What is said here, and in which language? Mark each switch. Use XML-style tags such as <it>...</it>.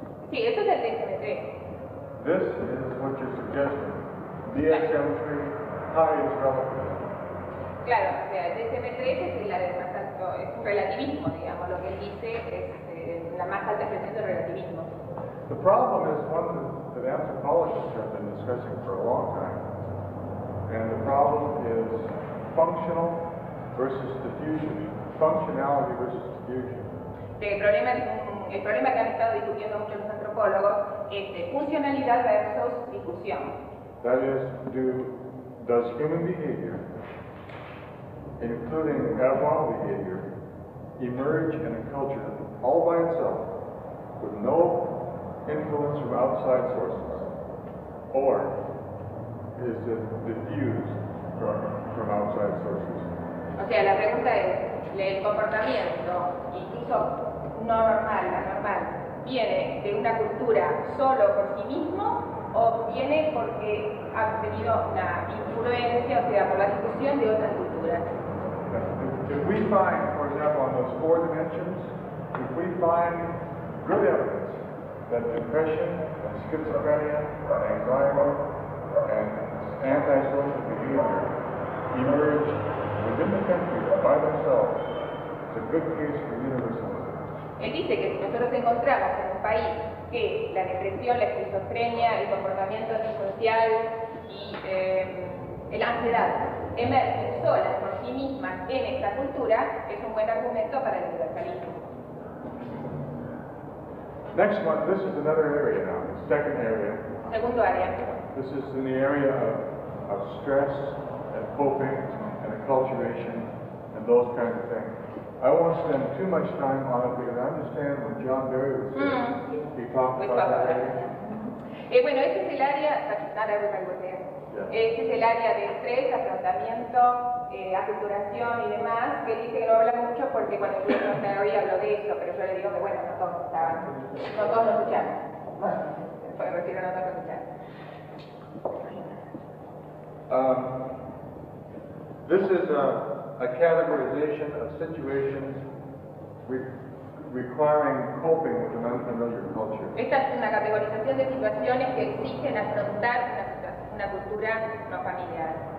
<es>Sí, eso es el DSM-3.</es> <en>This is what you're suggesting. DSM-3, highest relevance.</en> <es>Claro, o sea, el DSM-3 es la de más alto, es un relativismo, digamos. Lo que él dice es la más alta expresión del relativismo.</es> <en>The problem is one that anthropologists have been discussing for a long time. And the problem is functional versus diffusion. Functionality versus diffusion.</en> <es>El problema que han estado discutiendo muchos los antropólogos es de funcionalidad versus difusión.</es> <en>That is, does human behavior, including abnormal behavior, emerge in a culture all by itself, with no influence from outside sources, or is it diffused from outside sources?</en> <es>O sea, la pregunta es, ¿el comportamiento, incluso no normal, anormal, viene de una cultura solo por sí mismo o viene porque ha tenido una influencia, o sea, por la difusión de otras culturas?</es> <en>If we find, for example, on those four dimensions, if we find good evidence that depression and schizophrenia and anxiety and antisocial behavior emerge within the country by themselves, it's a good case for universalism.</en> <es>Él dice que si nosotros encontramos en un país que la depresión, la esquizofrenia, el comportamiento antisocial y la ansiedad emergen solas por sí mismas en esta cultura, es un buen argumento para el universalismo.</es> <en>Next one, this is another area now, second area.</en> <es>Segundo área.</es> <en>This is in the area of stress and coping and acculturation and those kinds of things. I won't spend too much time on it because I understand when John Berry was here, he talked about that area.</en> <es>Bueno, ese es el área, para que algo sea. Ese es el área de estrés, afrontamiento, aculturación y demás, que dice que no habla mucho porque cuando yo no estaba ahí hablo de eso, pero yo le digo que bueno, no todos lo escucharon.</es> <en>This is a categorization of situations requiring coping with an unfamiliar culture.</en> <es>Esta es una categorización de situaciones que exigen afrontar una cultura no familiar.</es>